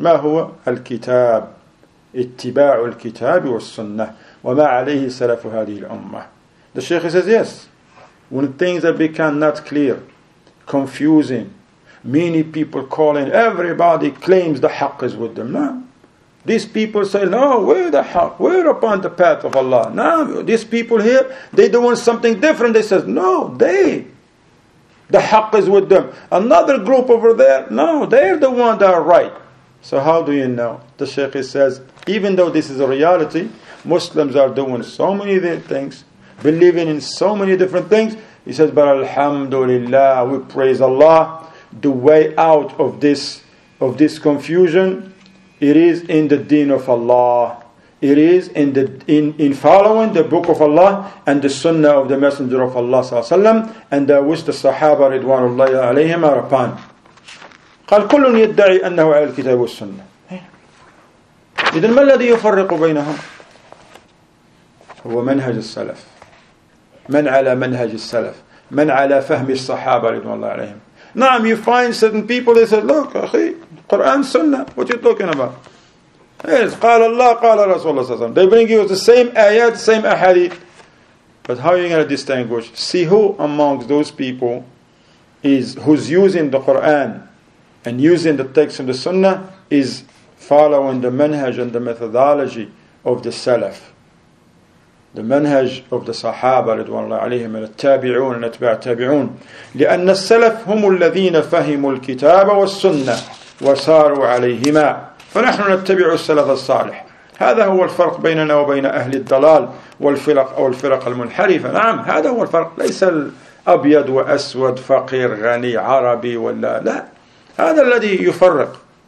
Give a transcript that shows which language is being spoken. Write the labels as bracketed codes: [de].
[ar] ما هو الكتاب؟ اتباع الكتاب والسنة وما عليه سلف هذه الأمة. [en] The Sheikh says yes. When things have become not clear, confusing, many people calling, everybody claims the haqq is with them. [ar] نعم. [en] These people say, no, where the haqq? We're upon the path of Allah. [ar] نعم. [en] These people here, they do want something different. They says, no, they. The haqq is with them. Another group over there, no, they're the ones that are right. So how do you know? The Sheikh says, even though this is a reality, Muslims are doing so many things, believing in so many different things. He says, but alhamdulillah, we praise Allah. The way out of this confusion, it is in the deen of Allah. It is in following the book of Allah and the sunnah of the Messenger of Allah sallallahu alaihi wasallam and the wish the Sahaba ridwanullahi alayhim are upon. [ar] قال كل يدعي أنه على الكتاب والسنة. إذن ما الذي يفرق بينهم؟ هو منهج السلف. من على منهج السلف؟ من على فهم الصحابة ridwanullahi alayhim. نعم, [en] you find certain people, they said, look, أخي, Quran, sunnah, what are you talking about? Yes, [ar] قال الله قال رسول الله صلى الله عليه وسلم. [en] They bring you the same ayat, same ahadith. But how are you going to distinguish? See who amongst those people is who's using the Quran and using the text in the sunnah is following the manhaj and the methodology of the salaf. The manhaj of the sahaba, [ar] رضوان الله عليهم, [en] and the tabi'un and atba' tabi'un. [ar] لأن السلف هم الذين فهموا الكتاب والسنة وساروا عليهما. فنحن نتبع السلف الصالح. هذا هو الفرق بيننا وبين أهل الضلال والفرق أو الفرق المنحرفة. نعم, هذا هو الفرق. ليس الأبيض وأسود, فقير غني, عربي ولا لا, هذا الذي يفرق.